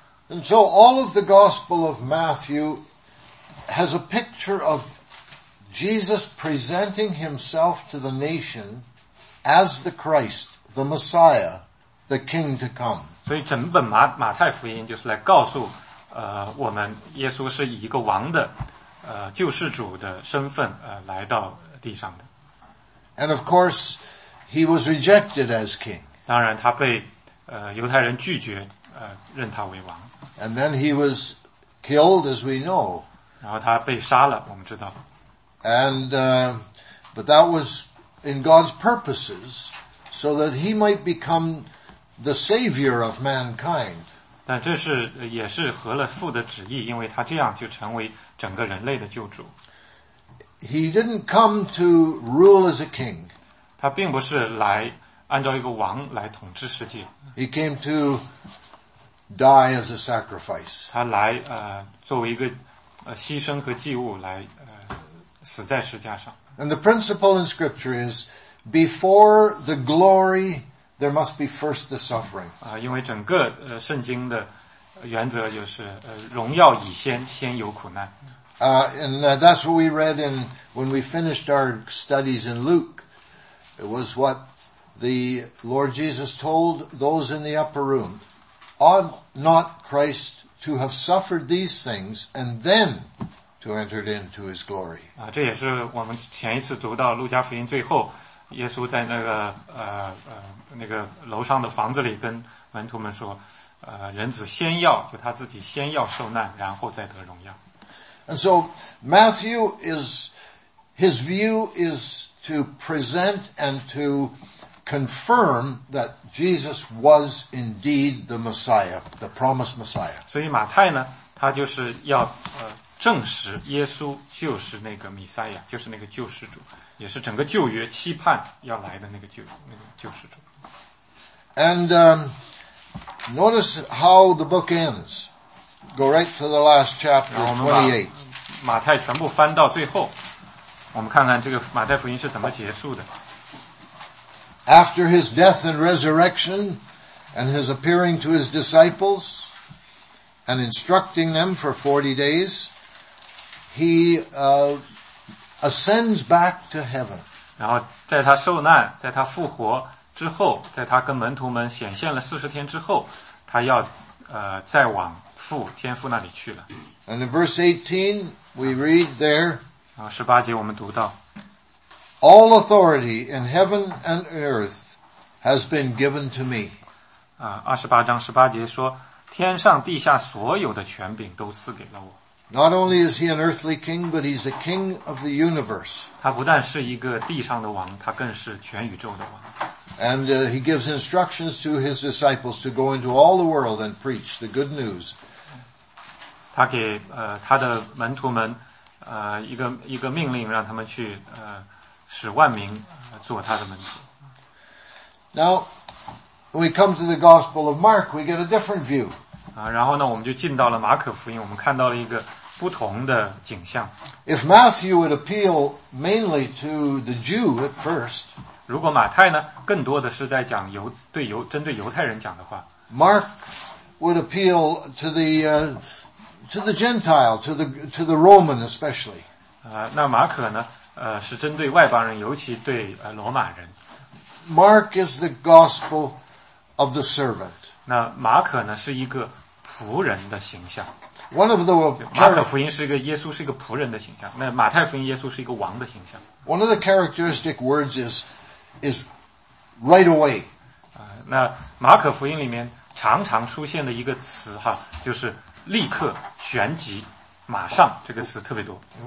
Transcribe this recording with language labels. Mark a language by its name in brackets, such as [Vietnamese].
[English] And so all of the Gospel of Matthew has a picture of Jesus presenting himself to the nation as the Christ, the Messiah, the King to come. [Chinese] 所以整本马太福音就是来告诉我们耶稣是以一个王的救世主的身份来到地上的。 [English] And of course, he was rejected as king. [Chinese] 当然他被犹太人拒绝认他为王。 [English] And then he was killed, as we know. [Chinese] 然后他被杀了，我们知道。 [English] And, but that was in God's purposes, so that he might become the savior of mankind. [Chinese] 但这是也是合了父的旨意，因为他这样就成为整个人类的救主。 [English] He didn't come to rule as a king. [Chinese] 他并不是来按照一个王来统治世界。 [English] He came to die as a sacrifice. [Chinese] 他来作为一个牺牲和祭物来死在十字架上。 [English] And the principle in scripture is before the glory there must be first the suffering. [Chinese] 因为整个圣经的原则就是荣耀以先，先有苦难。 [English] And that's what we read in when we finished our studies in Luke. It was what the Lord Jesus told those in the upper room. Ought not Christ to have suffered these things and then to enter into his glory? [Chinese] 这也是我们前一次读到路加福音最后，耶稣在那个楼上的房子里跟门徒们说，人子先要就他自己先要受难，然后再得荣耀。 [English] And so Matthew is, his view is to present and to confirm that Jesus was indeed the Messiah, the promised Messiah. [Chinese] 所以马太呢，他就是要证实耶稣就是那个弥赛亚，就是那个救世主，也是整个旧约期盼要来的那个救世主。 [English] And notice how the book ends. Go right to the last chapter, 28. [Chinese] 马太全部翻到最后，我们看看这个马太福音是怎么结束的。 [English] After his death and resurrection, and his appearing to his disciples, and instructing them for 40 days, he ascends back to heaven. [Chinese] 然后在他受难，在他复活，之后，在他跟门徒们显现了40天之后，他要再往父天父那里去了。 [English] And in verse 18, we read there. [Chinese] 18节我们读到。 [English] All authority in heaven and earth has been given to me. [Chinese] 28章18节说，天上地下所有的权柄都赐给了我。 [English] Not only is he an earthly king, but he's a king of the universe. [Chinese] 他不但是一个地上的王，他更是全宇宙的王。 [English] And he gives instructions to his disciples to go into all the world and preach the good news. [Chinese] 他给他的门徒们一个命令，让他们去使万民做他的门徒。 [English] Now, when we come to the Gospel of Mark, we get a different view. [Chinese] 然后呢，我们就进到了马可福音，我们看到了一个不同的景象。 [English] If Matthew would appeal mainly to the Jew at first, [Chinese] 如果马太呢，更多的是在讲针对犹太人讲的话。 [English] Mark would appeal to the Gentile, to the Roman especially. [Chinese] 那马可呢，是针对外邦人，尤其对罗马人。 [English] Mark is the gospel of the servant. [Chinese] 那马可呢是一个仆人的形象。 [English] One of the [Chinese] 马可福音是一个耶稣是一个仆人的形象。那马太福音耶稣是一个王的形象。 [English] One of the characteristic words is right away. [Chinese] 那马可福音里面常常出现的一个词哈，就是立刻、旋即、马上，这个词特别多。